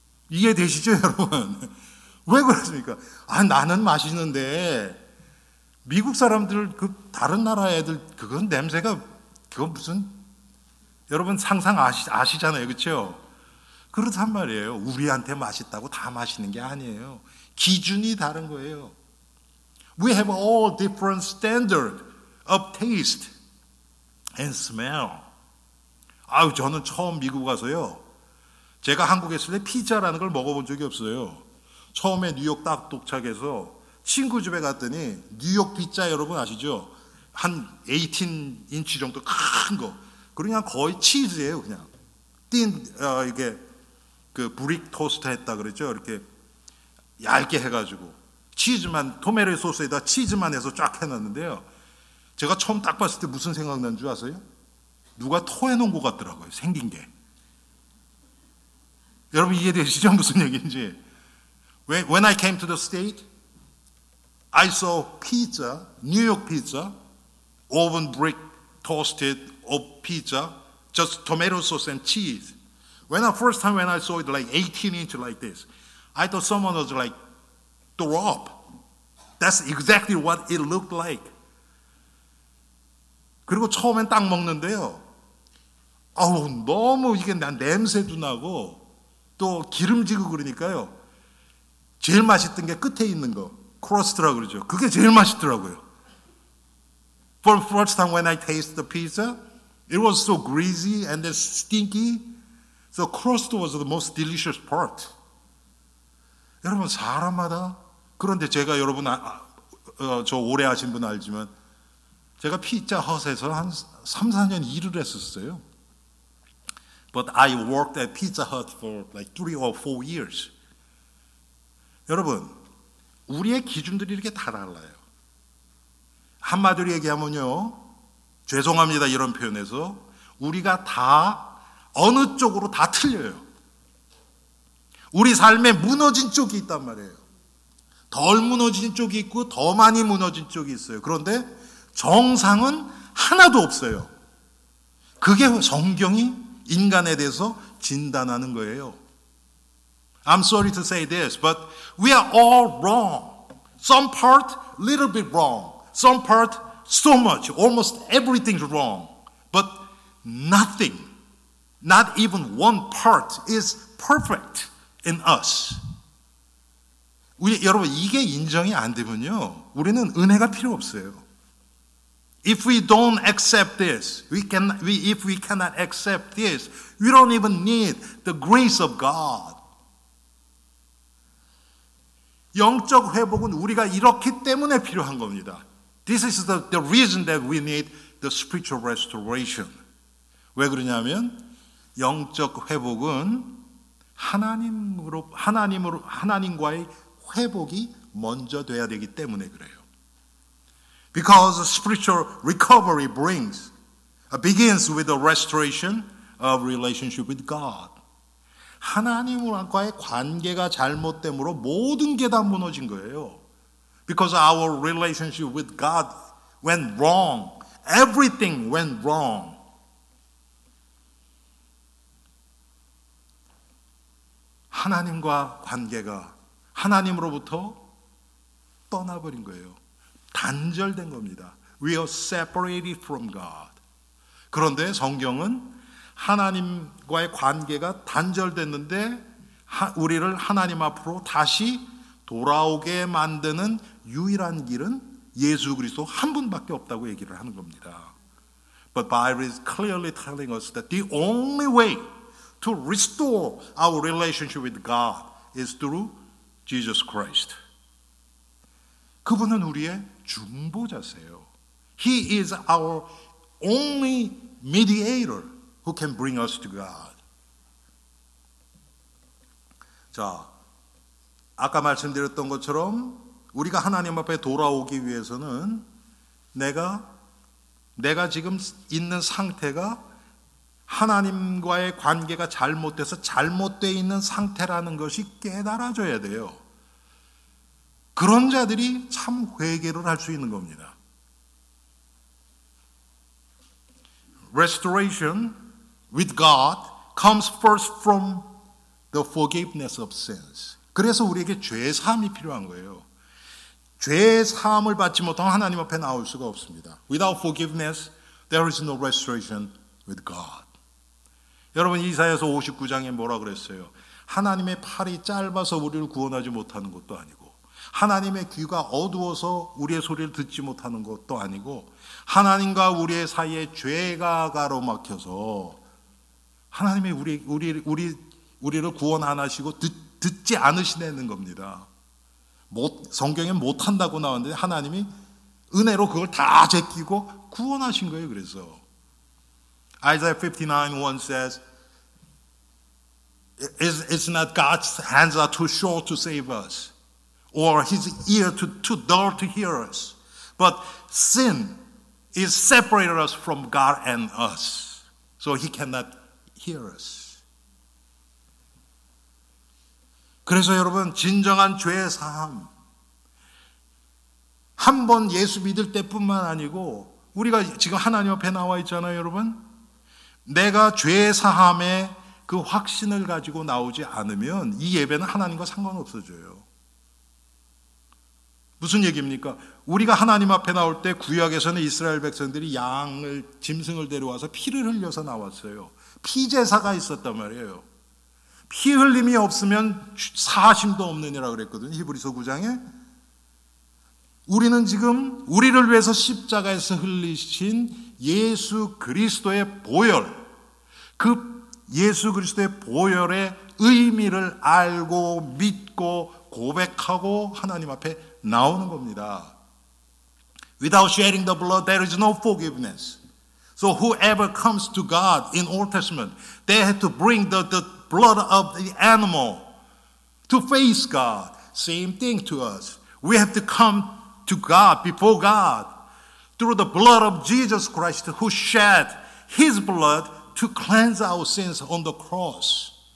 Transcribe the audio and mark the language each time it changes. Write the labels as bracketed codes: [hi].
[ko] 이해되시죠, 여러분? 왜 그렇습니까? 아, 나는 맛있는데 미국 사람들 그 다른 나라 애들 그건 냄새가 그건 무슨 여러분 상상 아시잖아요, 그렇죠? 그렇단 말이에요. 우리한테 맛있다고 다 맛있는 게 아니에요. 기준이 다른 거예요. [en] We have all different standard of taste and smell. [ko] 아유, 저는 처음 미국 가서요. 제가 한국에 있을 때 피자라는 걸 먹어본 적이 없어요. 처음에 뉴욕 딱 도착해서 친구 집에 갔더니 뉴욕 피자 여러분 아시죠? 한 18인치 정도 큰 거. 그러니까 거의 치즈예요, 그냥. 이게 그 브릭 토스트 했다 그랬죠? 이렇게 얇게 해가지고 치즈만, 토마토 소스에다 치즈만 해서 쫙 해놨는데요. 제가 처음 딱 봤을 때 무슨 생각 난 줄 아세요? 누가 토해놓은 것 같더라고요, 생긴 게. 여러분 이해되시죠? 무슨 얘기인지. [en] When I came to the state, I saw pizza, New York pizza, oven brick toasted of pizza, just tomato sauce and cheese. When I saw it like 18 inch like this, I thought someone was like, throw up. That's exactly what it looked like. [ko] 그리고 처음엔 딱 먹는데요. 아우, 너무 이게 냄새도 나고, 또 기름지고 그러니까요. 제일 맛있던 게 끝에 있는 거, 크러스트라고 그러죠. 그게 제일 맛있더라고요. [en] For the first time when I tasted the pizza, it was so greasy and then stinky. The crust was the most delicious part. [ko] 여러분, 사람마다, 그런데 제가 여러분, 저 오래 아신 분 알지만, 제가 피자 헛에서 한 3, 4년 일을 했었어요. [en] But I worked at Pizza Hut for like 3 or 4 years. [ko] 여러분, 우리의 기준들이 이렇게 다 달라요. 한마디로 얘기하면요, 죄송합니다 이런 표현에서 우리가 다 어느 쪽으로 다 틀려요. 우리 삶에 무너진 쪽이 있단 말이에요. 덜 무너진 쪽이 있고 더 많이 무너진 쪽이 있어요. 그런데 정상은 하나도 없어요. 그게 성경이 인간에 대해서 진단하는 거예요. [en] I'm sorry to say this, but we are all wrong. Some part little bit wrong. Some part so much. Almost everything's wrong. But nothing, not even one part is perfect in us. [ko] 여러분, 이게 인정이 안 되면요, 우리는 은혜가 필요 없어요. [en] If we don't accept this, if we cannot accept this, we don't even need the grace of God. [ko] 영적 회복은 우리가 이렇기 때문에 필요한 겁니다. [en] This is the reason that we need the spiritual restoration. [ko] 왜 그러냐면 영적 회복은 하나님과의 회복이 먼저 돼야 되기 때문에 그래요. [en] Because spiritual recovery begins with the restoration of relationship with God. [ko] 하나님과의 관계가 잘못됨으로 모든 게 다 무너진 거예요. [en] Because our relationship with God went wrong. Everything went wrong. [ko] 하나님과 관계가 하나님으로부터 떠나버린 거예요. 단절된 겁니다. [en] We are separated from God. [ko] 그런데 성경은 하나님과의 관계가 단절됐는데 우리를 하나님 앞으로 다시 돌아오게 만드는 유일한 길은 예수 그리스도 한 분밖에 없다고 얘기를 하는 겁니다. [en] But Bible is clearly telling us that the only way to restore our relationship with God is through Jesus Christ. [ko] 그분은 우리의 중보자세요. [en] He is our only mediator who can bring us to God. [ko] 자, 아까 말씀드렸던 것처럼 우리가 하나님 앞에 돌아오기 위해서는 내가 지금 있는 상태가 하나님과의 관계가 잘못돼서 잘못되어 있는 상태라는 것이 깨달아져야 돼요. 그런 자들이 참 회개를 할 수 있는 겁니다. [en] Restoration with God comes first from the forgiveness of sins. [ko] 그래서 우리에게 죄사함이 필요한 거예요. 죄 사함을 받지 못하면 하나님 앞에 나올 수가 없습니다. [en] Without forgiveness, there is no restoration with God. [ko] 여러분, 이사야서 59장에 뭐라 그랬어요? 하나님의 팔이 짧아서 우리를 구원하지 못하는 것도 아니고, 하나님의 귀가 어두워서 우리의 소리를 듣지 못하는 것도 아니고, 하나님과 우리의 사이에 죄가 가로막혀서 하나님이 우리를 구원 안 하시고 듣지 않으시는 겁니다. 성경에 못한다고 나왔는데 하나님이 은혜로 그걸 다 제끼고 구원하신 거예요. 그래서 [en] Isaiah 59:1 says it's not God's hands are too short to save us or his ear too dull to hear us but sin is separated us from God and us so he cannot hear us. [ko] 그래서 여러분 진정한 죄사함 한번 예수 믿을 때뿐만 아니고 우리가 지금 하나님 앞에 나와 있잖아요 여러분 내가 죄사함의 그 확신을 가지고 나오지 않으면 이 예배는 하나님과 상관없어져요 무슨 얘기입니까? 우리가 하나님 앞에 나올 때 구약에서는 이스라엘 백성들이 양을 짐승을 데려와서 피를 흘려서 나왔어요 피제사가 있었단 말이에요 피 흘림이 없으면 사심도 없느니라 그랬거든요 히브리서 9장에 우리는 지금 우리를 위해서 십자가에서 흘리신 예수 그리스도의 보혈 그 예수 그리스도의 보혈의 의미를 알고 믿고 고백하고 하나님 앞에 나오는 겁니다 [en] Without shedding the blood there is no forgiveness So whoever comes to God in Old Testament they had to bring the blood of the animal to face God Same thing to us We have to come to God, before God, through the blood of Jesus Christ who shed his blood to cleanse our sins on the cross.